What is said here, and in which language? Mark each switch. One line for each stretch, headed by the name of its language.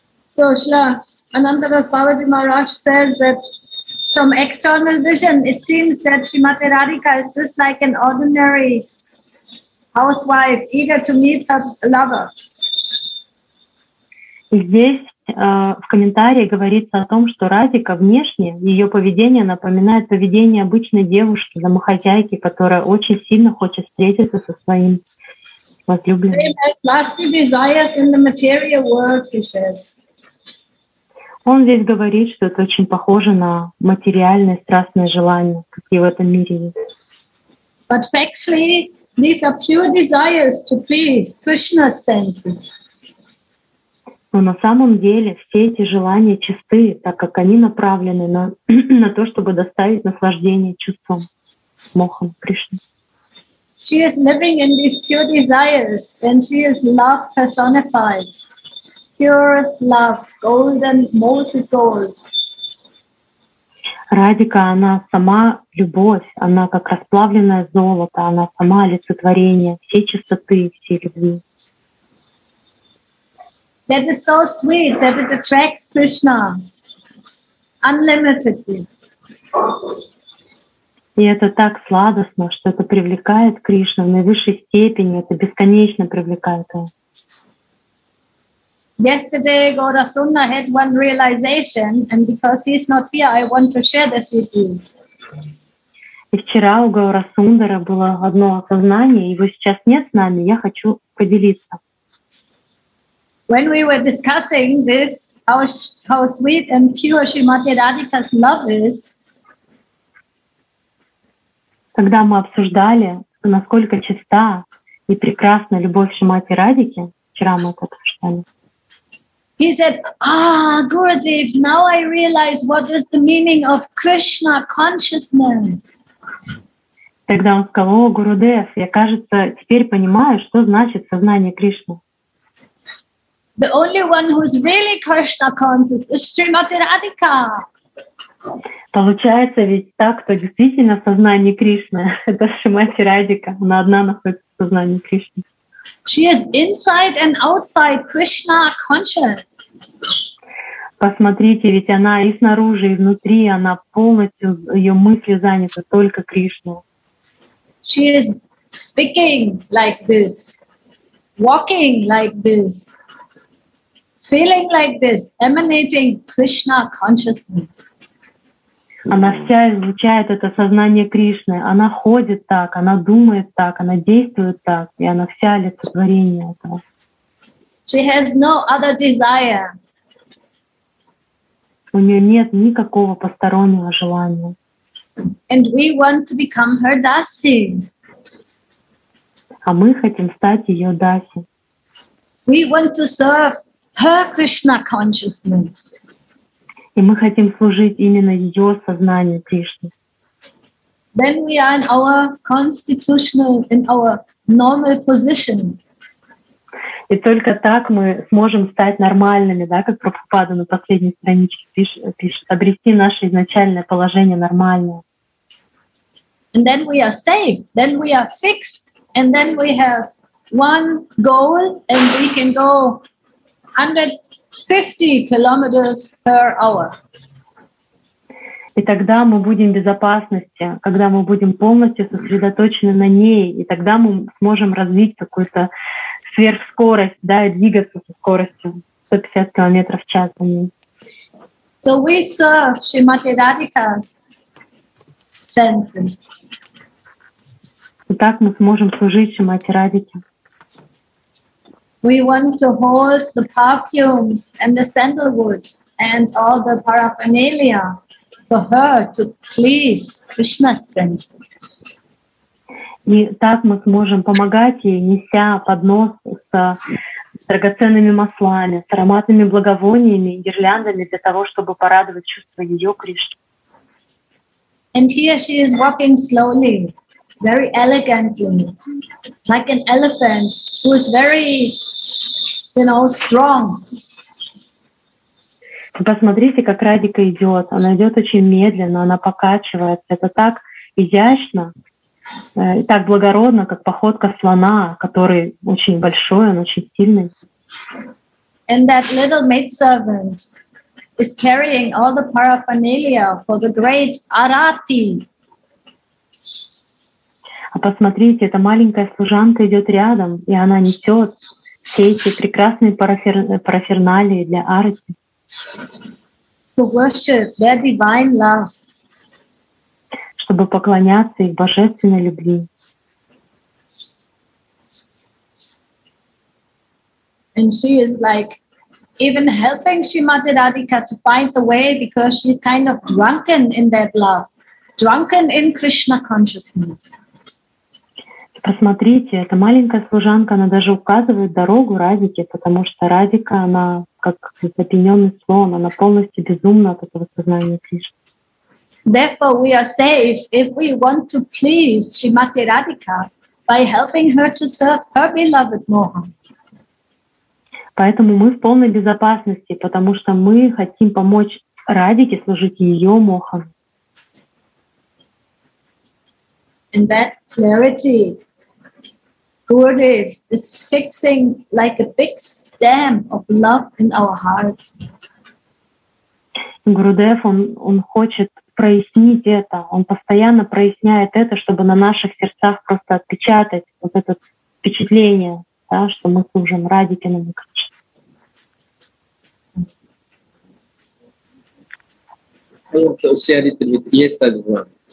English: So, Shla. Anandadas Babaji Maharaj says that from external vision it seems that Srimati Radhika is just like an ordinary housewife eager to meet her lover.
Russian: Здесь в комментарии говорится о том, что Радика внешне, ее поведение напоминает поведение обычной девушки, домохозяйки, которая очень сильно хочет встретиться со своим возлюбленным.
English: Lusty desires in the material world, he says.
Russian: Он здесь говорит, что это очень похоже на материальные страстные желания, какие в этом мире есть.
English: But actually, these are pure desires to please Krishna's senses.
Russian: Но на самом деле все эти желания чисты, так как они направлены на то, чтобы доставить наслаждение чувством, мохом Кришны.
English: She is living in these pure desires, and she is love personified. Purest love, golden, molten gold.
Russian: Радика, она сама любовь, она как расплавленное золото, она сама олицетворение всей чистоты, всей любви.
English: That is so sweet that it attracts Krishna unlimitedly.
Russian: И это так сладостно, что это привлекает Кришну в наивысшей степени, это бесконечно привлекает его.
English: Yesterday, Gaurasundara had one realization, and because he is not here, I want to share this with you.
Russian: И вчера у Гаурасундары было одно осознание, его сейчас нет с нами, я хочу поделиться.
English: When we were discussing this, how sweet and pure Shrimati Radhika's love is.
Russian: Когда мы обсуждали, насколько чиста и прекрасна любовь Шримати Радики, вчера мы это обсуждали.
English: He said, Gurudev, now I realize what is the meaning of Krishna consciousness.
Russian: Тогда он сказал, о, Гурудев, я, кажется, теперь понимаю, что значит сознание Кришны.
English: The only one who is really Krishna conscious is Srimati Radhika.
Russian: Получается ведь так, кто действительно в сознании Кришны, это Шримати Радика, она одна находится в сознании Кришны.
English: She is inside and outside Krishna conscious.
Russian: Посмотрите, ведь она и снаружи, и внутри, она полностью, ее мысли заняты только Кришной.
English: She is speaking like this, walking like this, feeling like this, emanating Krishna consciousness.
Russian: Она вся излучает это сознание Кришны. Она ходит так, она думает так, она действует так, и она вся олицетворение этого.
English: She has no other desire.
Russian: У нее нет никакого постороннего желания.
English: And we want to become her dasis.
Russian: А мы хотим стать ее даси.
English: We want to serve her Krishna consciousness.
Russian: И мы хотим служить именно ее сознанию Кришне.
English: Then we are in our constitutional, in our normal position.
Russian: И только так мы сможем стать нормальными, да, как Прабхупада на последней страничке пишет, обрести наше изначальное положение нормальное.
English: And then we are safe, then we are fixed, and then we have one goal, and we can go 150 kilometers per hour.
Russian: И тогда мы будем в безопасности, когда мы будем полностью сосредоточены на ней, и тогда мы сможем развить какую-то сверхскорость, да, и двигаться со скоростью 150 километров в час.
English: So we serve Shrimati Radhika's senses.
Russian: И так мы сможем служить Шримати Радике.
English: We want to hold the perfumes and the sandalwood and all the paraphernalia for her to please Krishna's senses.
Russian: И так мы сможем помогать ей, неся поднос с драгоценными маслами, с ароматными благовониями и гирляндами для того, чтобы порадовать чувства ее Кришны.
English: And here she is walking slowly, very elegantly, like an elephant who is very, you know, strong.
Russian: Посмотрите, как Радика идет. Она идет очень медленно, она покачивается. Это так изящно, так благородно, как походка слона, который очень большой, он очень сильный.
English: And that little maidservant is carrying all the paraphernalia for the great Arati.
Russian: А посмотрите, эта маленькая служанка идет рядом, и она несет все эти прекрасные параферналии для Арати.
English: To worship their divine love.
Russian: Чтобы поклоняться их божественной любви.
English: And she is like even helping Shrimati Radhika to find the way because she's kind of drunken in that love, drunken in Krishna consciousness.
Russian: Посмотрите, эта маленькая служанка, она даже указывает дорогу Радике, потому что Радика, она как запьянённый слон, она полностью безумна от этого сознания Кришны.
English: Therefore, we are safe if we want to please Shrimati Radhika by helping her to serve her beloved Mohan.
Russian: Поэтому мы в полной безопасности, потому что мы хотим помочь Радике служить её Мохан.
English: And that clarity, Gurudev, is fixing like a big stamp of love in our hearts.
Russian: Gurudev, он хочет прояснить это. Он постоянно проясняет это, чтобы на наших сердцах просто отпечатать вот это впечатление, да, что мы служим Радике на Кришне.
English: I want to share it with yesterday's one.